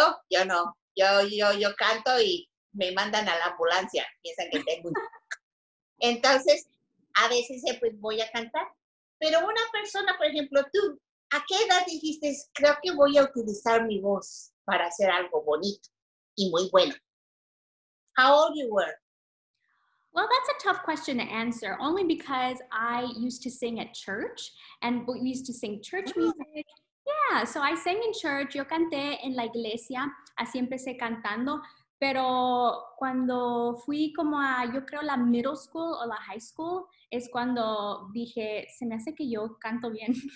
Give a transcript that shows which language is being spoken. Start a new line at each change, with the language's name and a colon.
Spanish: Yo canto y me mandan a la ambulancia. Piensan que tengo. Entonces, a veces siempre voy a cantar. Pero una persona, por ejemplo, tú, ¿a qué edad dijiste, creo que voy a utilizar mi voz para hacer algo bonito y muy bueno?
English: How old you were? Well, that's a tough question to answer, only because I used to sing at church, and we used to sing church music. Yeah, so I sang in church,
Spanish: yo canté en la iglesia, así empecé cantando, pero cuando fui como a, yo creo, la middle school o la high school, es cuando dije, se me hace que yo canto bien.